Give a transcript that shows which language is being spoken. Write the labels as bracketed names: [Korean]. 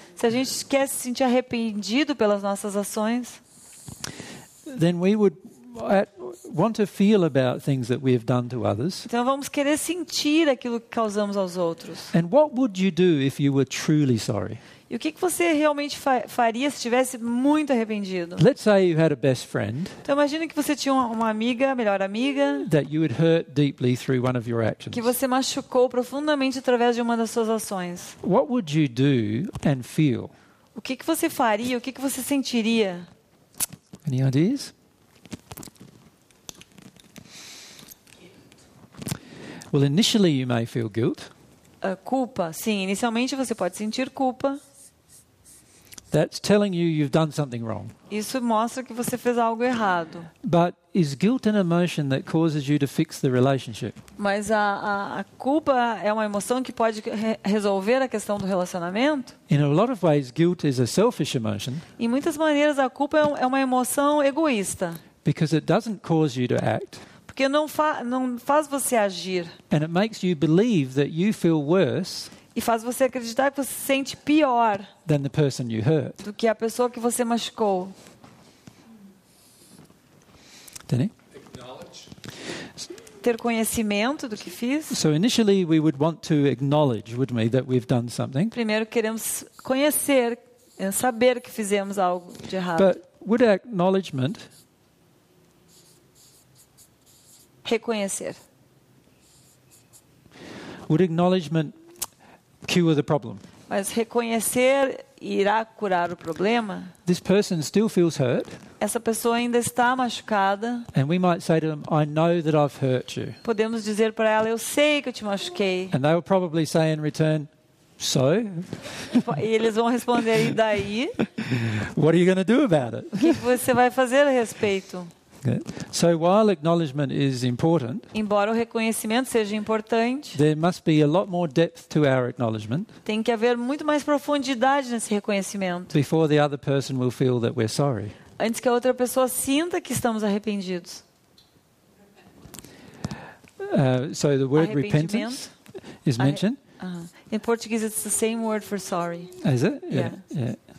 [Portuguese] Se a gente quer se sentir arrependido pelas nossas ações, [English] then we would want to feel about things that we have done to others. [Portuguese] Então vamos querer sentir aquilo que causamos aos outros. [English] And what would you do if you were truly sorry? [Portuguese] E o que você realmente faria se estivesse muito arrependido? [English] Let's say you had a best friend. [Portuguese] Então imagina que você tinha uma amiga, melhor amiga. [English] That you had hurt deeply through one of your actions. [Portuguese] Que você machucou profundamente através de uma das suas ações. [English] What would you do and feel? [Portuguese] O que você faria? O que você sentiria? [English] Any ideas? Well, initially you may feel guilt. [Portuguese] Culpa, sim. Inicialmente você pode sentir culpa. [English] That's telling you you've done something wrong. [Portuguese] Isso mostra que você fez algo errado. [English] But is guilt an emotion that causes you to fix the relationship? [Portuguese] Mas a culpa é uma emoção que pode resolver a questão do relacionamento? [English] In a lot of ways, guilt is a selfish emotion. [Portuguese] Em muitas maneiras, a culpa é uma emoção egoísta. [English] Because it doesn't cause you to act. [Portuguese] Porque não faz você agir. [English] And it makes you believe that you feel worse. [Portuguese] E faz você acreditar que você se sente pior [English] than the person you hurt. [Portuguese] Do que a pessoa que você machucou. [English] Danny? [Portuguese] Ter conhecimento do que fiz. [English] So initially we would want to acknowledge, wouldn't we, that we've done something. [Portuguese] Primeiro queremos conhecer, saber que fizemos algo de errado. [English] But would acknowledgement [Portuguese] reconhecer. [English] Would acknowledgement cure the problem? [Portuguese] Mas reconhecer irá curar o problema? [English] This person still feels hurt. [Portuguese] Essa pessoa ainda está machucada. [English] And we might say to them, I know that I've hurt you. [Portuguese] Podemos dizer para ela, eu sei que eu te machuquei. [English] And they will probably say in return, so? [Portuguese] E eles vão responder, e daí? [English] What are you going to do about it? [Portuguese] O que você vai fazer a respeito? [English] So while acknowledgement is important, [Portuguese] embora o reconhecimento seja importante, [English] there must be a lot more depth to our acknowledgement. [Portuguese] Tem que haver muito mais profundidade nesse reconhecimento. [English] Before the other person will feel that we're sorry. [Portuguese] Antes que a outra pessoa sinta que estamos arrependidos. [English] So the word repentance is mentioned. In Portuguese it's the same word for sorry. Is it? Yeah.